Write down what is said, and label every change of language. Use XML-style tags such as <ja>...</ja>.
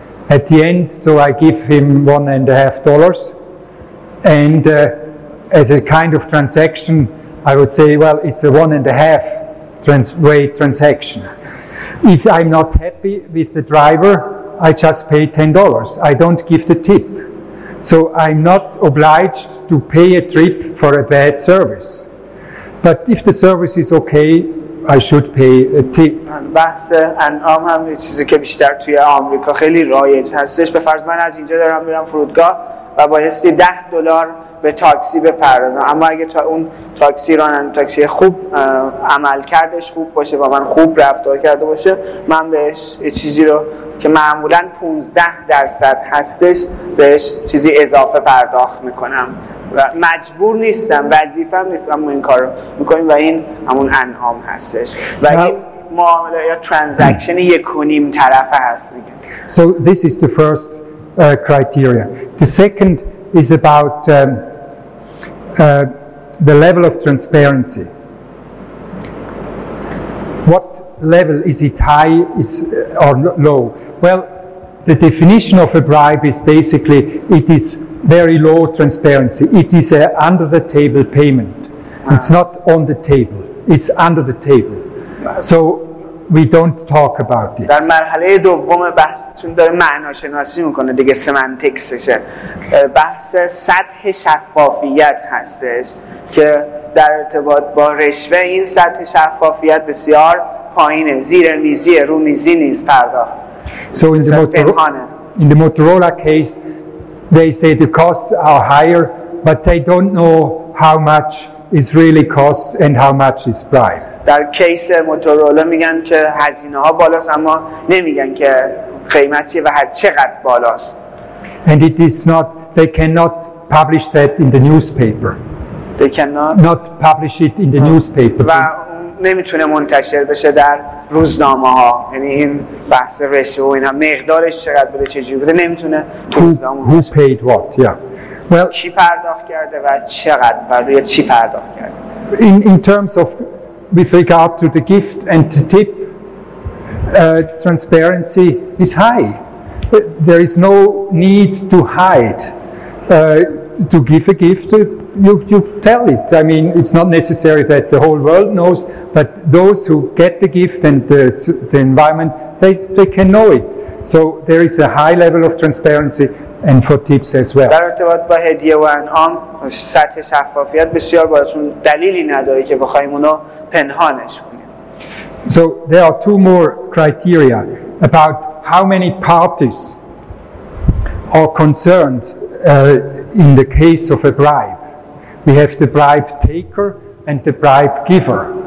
<en>At the end, so I give him $1.50, and as a kind of transaction, I would say, well, it's a one-and-a-half way transaction. If I'm not happy with the driver, I just pay $10. I don't give the tip. So I'm not obliged to pay a trip for a bad service. But if the service is okay, I should pay a tip.</en> <fa>بحث انعام هم یه چیزی که بیشتر توی آمریکا خیلی رایج هستش. به فرض من از اینجا دارم میرم فرودگاه و بایستی $10 به تاکسی بپردازم. اما اگه اون تاکسی راننده تاکسی خوب عمل کردش خوب باشه و من خوب رفتار کرده باشه، من بهش یه چیزی رو که معمولاً 15% هستش بهش چیزی اضافه پرداخت میکنم و مجبور نیستم، وظیفه‌ام نیست، اما این کار رو میکنیم و این همون انعام هستش و این معامله یا ترانزکشن یک و نیم طرفه هست دیگه.</fa> <en>So this is the first criteria. The second is about the level of transparency. What level is it, high is or low? Well, the definition of a bribe is basically it is very low transparency. It is an under the table payment. It's not on the table. It's under the table. So we don't talk about it.</en> <fa>در مرحله دوم بحثتون داره معناشناسی میکنه دیگه، سمانتیکسشه. بحث سطح شفافیت هستش که در ارتباط با رشوه این سطح شفافیت بسیار پایینه، زیر میزی رو میزی نیست پرداخت.</fa> <en>So in the Motorola case, they say the costs are higher, but they don't know how much is really cost and how much is bribe.</en> <fa>در کیس موتورولا میگن که هزینه ها بالاست، اما نمیگن که قیمت چیه و چقدر بالاست.</fa> <en>And it is not, they cannot publish that in the newspaper. They cannot publish it in the newspaper.</en> <fa>و نمیتونه منتشر بشه در روزنامه ها. یعنی این بحث رشوه و اینا، مقدارش چقدر بوده، چه جوری بوده، نمیتونه تو روزنامه.</fa> <en>Who paid what? Yeah. Well,</en> <fa>چی پرداخت کرده و چقدر بوده یا چی پرداخت کرده.</fa> <en>In terms of with regard to the gift and the tip, transparency is high. There is no need to hide. To give a gift, you tell it. I mean, it's not necessary that the whole world knows, but those who get the gift and the environment, they can know it. So there is a high level of transparency. And for tips as well.</en> <fa>در ارتباط با هدیه و انعام سطح شفافیت بسیار بالاست، دلیلی نداره که بخوایم اونو پنهانش کنیم.</fa> <en>So there are two more criteria about how many parties are concerned in the case of a bribe. We have the bribe taker and the bribe giver.</en>